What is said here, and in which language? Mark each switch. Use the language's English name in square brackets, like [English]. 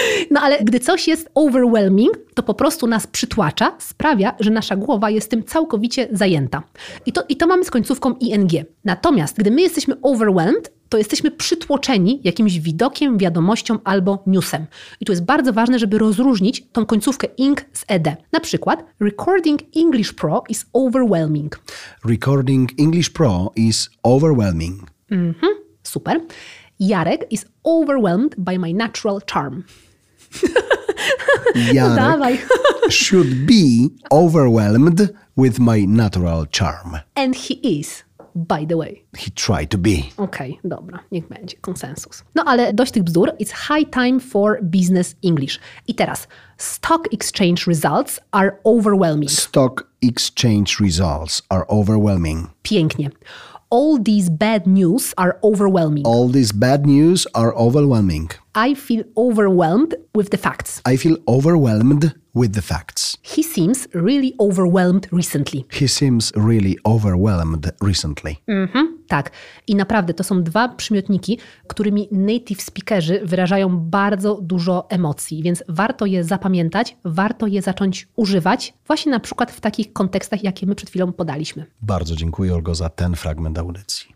[Polish] No ale gdy coś jest overwhelming, to po prostu nas przytłacza, sprawia, że nasza głowa jest tym całkowicie zajęta. I to mamy z końcówką ing. Natomiast gdy my jesteśmy overwhelmed, to jesteśmy przytłoczeni jakimś widokiem, wiadomością albo newsem. I tu jest bardzo ważne, żeby rozróżnić tą końcówkę ing z ed. Na przykład [English] recording English Pro is overwhelming. Recording English Pro is overwhelming. Mhm, super. Jarek is overwhelmed by my natural charm. Jarek should be overwhelmed with my natural charm. And he is, by the way. He tried to be. [Polish] Okej, okay, dobra, niech będzie konsensus. No ale dość tych bzdur. [English] It's high time for business English. [Polish] I teraz, [English] stock exchange results are overwhelming. Stock exchange results are overwhelming. [Polish] Pięknie. [English] All these bad news are overwhelming. All these bad news are overwhelming. I feel overwhelmed with the facts. I feel overwhelmed with the facts. He seems really overwhelmed recently. He seems really overwhelmed recently. [Polish] Mhm, tak. I naprawdę to są dwa przymiotniki, którymi native speakerzy wyrażają bardzo dużo emocji, więc warto je zapamiętać, warto je zacząć używać właśnie na przykład w takich kontekstach, jakie my przed chwilą podaliśmy. Bardzo dziękuję, Olgo, za ten fragment audycji.